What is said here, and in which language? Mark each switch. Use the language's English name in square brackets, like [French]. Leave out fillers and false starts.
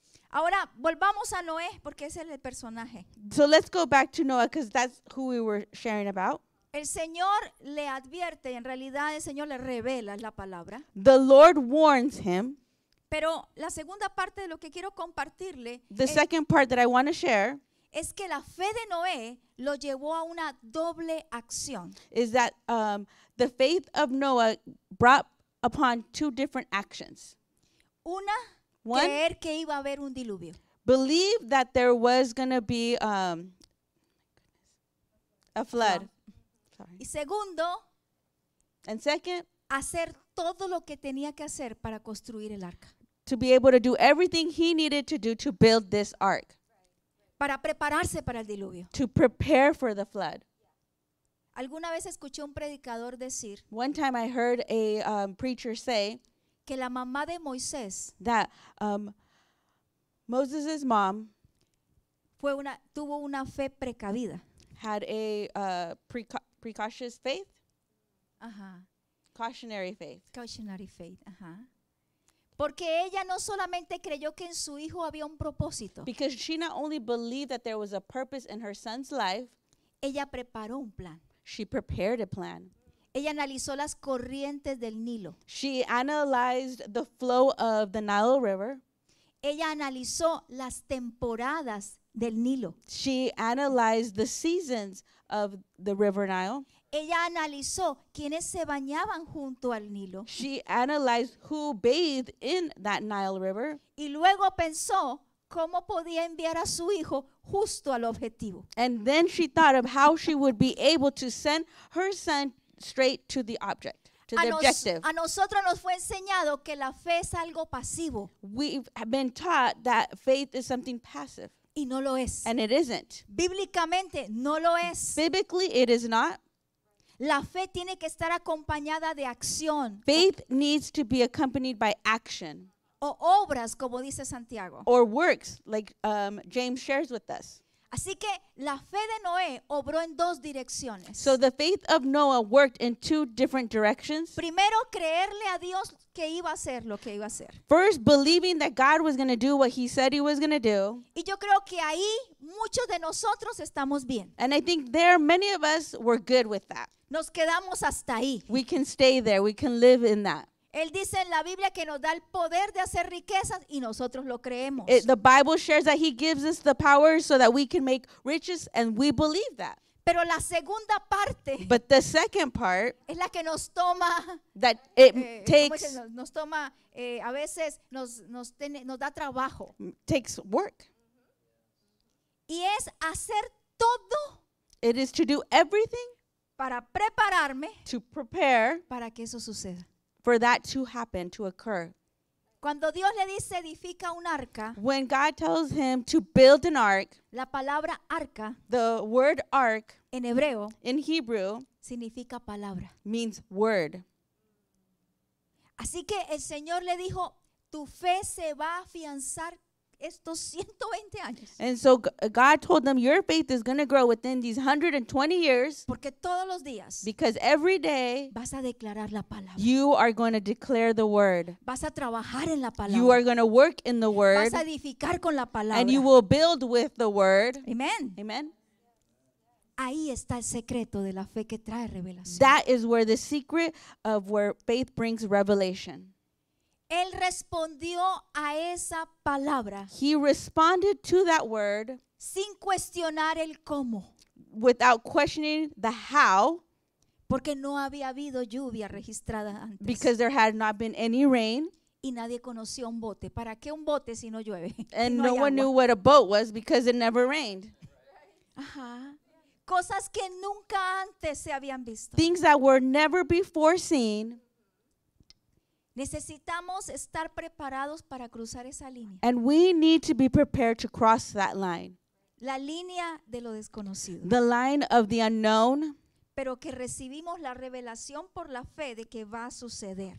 [Spanish] Ahora volvamos a Noé porque ese es el personaje. [English] So let's go back to Noah because that's who we were sharing about. [Spanish] El Señor le advierte, en realidad el Señor le revela la palabra. [English] The Lord warns him. [Spanish] Pero la segunda parte de lo que quiero compartirle. [English] The second part that I want to share. [Spanish] Es que la fe de Noé lo llevó a una doble acción. [English] Is that the faith of Noah brought upon two different actions. [Spanish] Una. One, creer que iba a haber un diluvio. [English] Believe that there was going to be a flood. [Spanish] Y segundo, [English] and second, [Spanish] hacer todo lo que tenía que hacer para construir el arca. [English] To be able to do everything he needed to do to build this ark. [Spanish] Para prepararse para el diluvio. [English] To prepare for the flood. [Spanish] Alguna vez escuché un predicador decir. [English] One time I heard a preacher say. [Spanish] Que la mamá de Moisés, [English] that Moses' mom [Spanish] tuvo una fe precavida. [English] Had a precautious faith. Uh-huh. Cautionary faith. Cautionary faith. Uh-huh. [Spanish] Porque ella no solamente creyó que en su hijo había un propósito. [English] Because she not only believed that there was a purpose in her son's life. [Spanish] Ella preparó un plan. [English] She prepared a plan. [Spanish] Ella analizó las corrientes del Nilo. [English] She analyzed the flow of the Nile River. [Spanish] Ella analizó las temporadas del Nilo. [English] She analyzed the seasons of the River Nile. [Spanish] Ella analizó quiénes se bañaban junto al Nilo. [English] She analyzed who bathed in that Nile River. [Spanish] Y luego pensó cómo podía enviar a su hijo justo al objetivo. [English] And then she thought of how she would be able to send her son straight to the object, to the objective. [Spanish] A nosotros nos fue enseñado que la fe es algo pasivo. [English] We've been taught that faith is something passive. [Spanish] Y no lo es. [English] And it isn't. [Spanish] Bíblicamente no lo es. [English] Biblically it is not. [Spanish] La fe tiene que estar acompañada de acción. [English] Faith needs to be accompanied by action. [Spanish] O obras, como dice Santiago. [English] Or works, like James shares with us. [Spanish] Así que la fe de Noé obró en dos direcciones. [English] So the faith of Noah worked in two different directions. [Spanish] Primero, creerle a Dios que iba a hacer lo que iba a hacer. [English] First, believing that God was going to do what he said he was going to do. [Spanish] Y yo creo que ahí muchos de nosotros estamos bien. [English] And I think there many of us were good with that. [Spanish] Nos quedamos hasta ahí. [English] We can stay there. We can live in that. [Spanish] Él dice en la Biblia que nos da el poder de hacer riquezas y nosotros lo creemos. [English] The Bible shares that he gives us the power so that we can make riches and we believe that. [Spanish] Pero la segunda parte. [English] But the second part. [Spanish] Es la que nos toma. [English] That it takes. [Spanish] Nos toma, a veces nos da trabajo. [English] Takes work. [Spanish] y es hacer todo. [English] It is to do everything [Spanish] para prepararme [English] to prepare [Spanish] para que eso suceda. [English] For that to happen, to occur. [Spanish] Cuando Dios le dice edifica un arca, [English] when God tells him to build an ark, [Spanish] la palabra arca, [English] the word ark, [Spanish] en hebreo, [English] in Hebrew, [Spanish] significa palabra, [English] means word. [Spanish] Así que el Señor le dijo, tu fe se va a afianzar estos 120 años. [English] And so God told them, your faith is going to grow within these 120 years. [Spanish] Porque todos los días, [English] because every day, [Spanish] vas a declarar la palabra. [English] You are going to declare the word. [Spanish] Vas a trabajar en la palabra. [English] You are going to work in the word. [Spanish] Vas a edificar con la palabra. [English] And you will build with the word. Amen. Amen. [Spanish] Ahí está el secreto de la fe que trae revelación. [English] That is where the secret of where faith brings revelation. [Spanish] Él respondió a esa palabra. [English] He responded to that word. [Spanish] Sin cuestionar el cómo. [English] Without questioning the how. [Spanish] Porque no había habido lluvia registrada antes. [English] Because there had not been any rain. [Spanish] Y nadie conocía un bote. ¿Para qué un bote si no llueve? [English] And no, no one knew what a boat was because it never rained. [Spanish] Ajá. Cosas que nunca antes se habían visto. [English] Things that were never before seen. [Spanish] Necesitamos estar preparados para cruzar esa línea. [English] And we need to be prepared to cross that line. [Spanish] La línea de lo desconocido. [English] The line of the unknown. [Spanish] Pero que recibimos la revelación por la fe de que va a suceder.